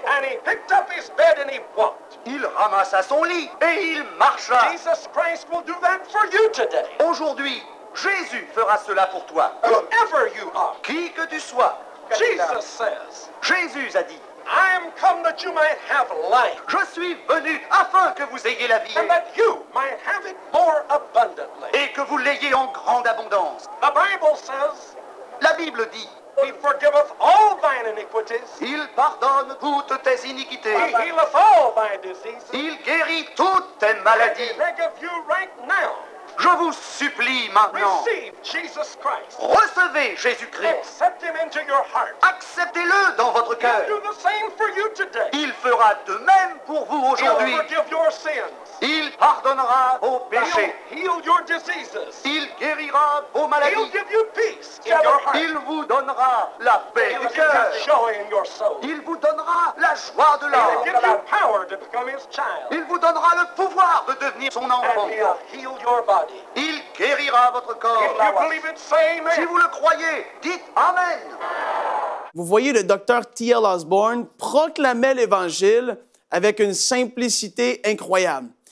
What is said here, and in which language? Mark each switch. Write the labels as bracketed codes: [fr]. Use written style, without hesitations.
[en] And he picked up his bed and he walked. [fr] Il ramassa son lit et il marcha. [en] Jesus Christ will do that for you today. [fr] Aujourd'hui, Jésus fera cela pour toi. [en] Whoever you are. [fr] Qui que tu sois. [en] Jesus says. [fr] Jésus a dit. [en] I am come that you might have life. [fr] Je suis venu afin que vous ayez la vie. [en] And that you might have it more abundantly. [fr] Et que vous l'ayez en grande abondance. [en] The Bible says. [fr] La Bible dit. [en] He forgiveth all thine iniquities. [fr] Il pardonne toutes tes iniquités. [en] He healeth all thy diseases. [fr] Il guérit toutes tes maladies. [en] I beg of you right now. [fr] Je vous supplie maintenant. [en] Receive Jesus Christ. [fr] Recevez Jésus-Christ. [en] Accept him into your heart. [fr] Acceptez-le dans votre cœur. [en] He'll do the same for you today. [fr] Il fera de même pour vous aujourd'hui. [en] He'll forgive your sins. [fr] Il pardonnera vos péchés. [en] He'll heal your diseases. [fr] Il guérira vos maladies. [en] He'll give you peace in your heart. [fr] Il vous donnera la paix [en] He'll [fr] du cœur. [en] Joy in your soul. [fr] Il vous donnera la joie de l'âme. [en] He'll give you power to become his child. [fr] Il vous donnera le pouvoir de devenir son enfant. [en] And he'll heal your body. [fr] Il guérira votre corps. [en] If you believe it, say amen. [fr] Si vous le croyez, dites amen. Vous voyez, le docteur T.L. Osborn proclamait l'Évangile avec une simplicité incroyable.